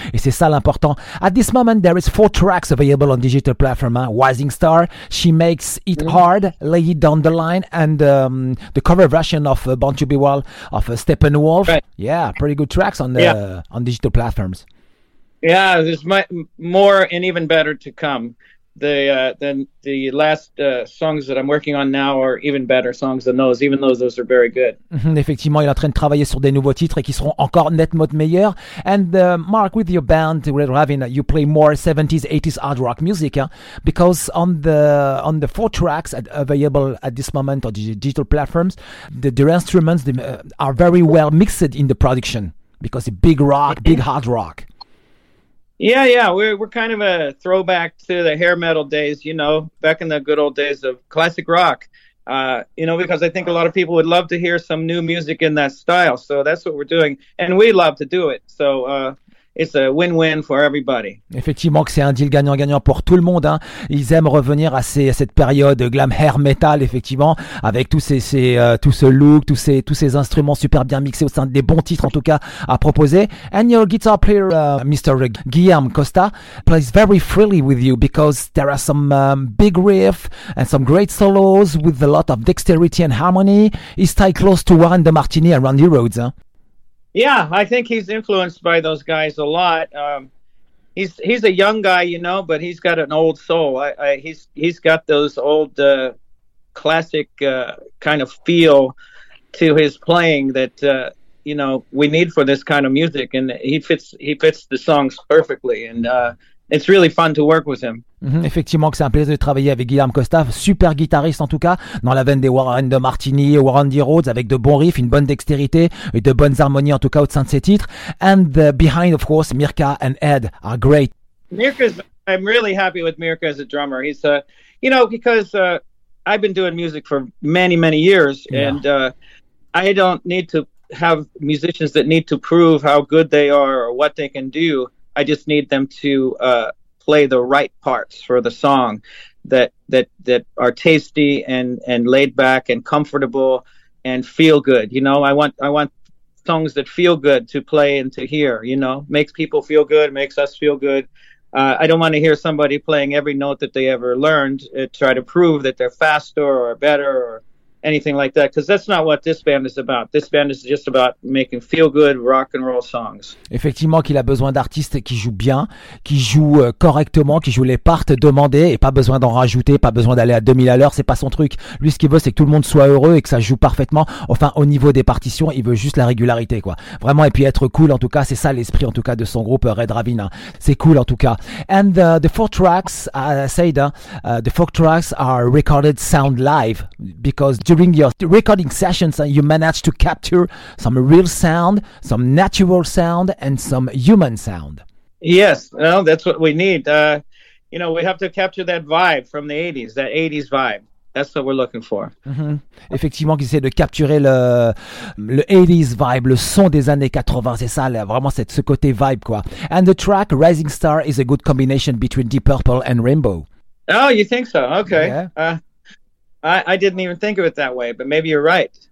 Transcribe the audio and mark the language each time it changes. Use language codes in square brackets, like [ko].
[fr] Et c'est ça l'important. [en] At this moment, there is four tracks available on digital platform. Hein. Rising Star, She Makes It Hard, Lay It Down the Line, and the cover version of Born to Be Wild of Steppenwolf. Right. Yeah, pretty good tracks on on digital platforms. Yeah, there's more and even better to come. The last songs that I'm working on now are even better songs than those, even though those are very good. [fr] Effectivement, il est en train de travailler sur des nouveaux titres et qui seront encore nettement meilleurs. [en] And Mark, with your band Red Ravine, you play more 70s, 80s hard rock music, huh? Because on the four tracks available at this moment on the digital platforms, the instruments are very well mixed in the production, because it's big rock, big hard rock. Yeah, we're kind of a throwback to the hair metal days, you know, back in the good old days of classic rock, you know, because I think a lot of people would love to hear some new music in that style. So that's what we're doing. And we love to do it. So it's a win-win for everybody. [fr] Effectivement que c'est un deal gagnant-gagnant pour tout le monde. Hein. Ils aiment revenir à cette période glam hair metal, effectivement, avec tout ce look, tous ces instruments super bien mixés au sein des bons titres, en tout cas, à proposer. [en] And your guitar player, Mr. Guillaume Costa, plays very freely with you because there are some big riffs and some great solos with a lot of dexterity and harmony. He's tied close to Warren DeMartini and Randy Rhoads. Hein. Yeah, I think he's influenced by those guys a lot. He's a young guy, you know, but he's got an old soul. He's got those old classic kind of feel to his playing that you know, we need for this kind of music, and he fits the songs perfectly, and it's really fun to work with him. [fr] Effectivement que c'est un plaisir de travailler avec Guillaume Costa, super guitariste en tout cas, dans la veine des Warren de Martini et Warren D. Rhoads, avec de bons riffs, une bonne dextérité et de bonnes harmonies en tout cas au sein de ses titres. [en] And behind, of course, Mirka and Ed are great. I'm really happy with Mirka as a drummer. He's, you know, because I've been doing music for many, many years, and I don't need to have musicians that need to prove how good they are or what they can do. I just need them to play the right parts for the song that are tasty and laid back and comfortable and feel good. You know, I want songs that feel good to play and to hear, you know, makes people feel good, makes us feel good. I don't want to hear somebody playing every note that they ever learned, try to prove that they're faster or better or anything like that, because that's not what this band is about. This band is just about making feel-good rock and roll songs. [fr] Effectivement, qu'il a besoin d'artistes qui jouent bien, qui jouent correctement, qui jouent les parts demandées, et pas besoin d'en rajouter, pas besoin d'aller à 2000 à l'heure, c'est pas son truc. Lui, ce qu'il veut, c'est que tout le monde soit heureux et que ça joue parfaitement. Enfin, au niveau des partitions, il veut juste la régularité, quoi. Vraiment, et puis être cool, en tout cas, c'est ça l'esprit, en tout cas, de son groupe Red Ravine. Hein. C'est cool, en tout cas. [en] And the four tracks, as I said, the four tracks are recorded sound live, because during your recording sessions, you managed to capture some real sound, some natural sound, and some human sound. Yes, well, that's what we need. You know, we have to capture that vibe from the 80s, that 80s vibe. That's what we're looking for. Mm-hmm. [fr] Effectivement, qui essaie de capturer le 80s vibe, le son des années 80. C'est ça, vraiment ce côté vibe, quoi. [en] And the track Rising Star is a good combination between Deep Purple and Rainbow. Oh, you think so? Okay. Yeah. I didn't even think of it that way, but maybe you're right.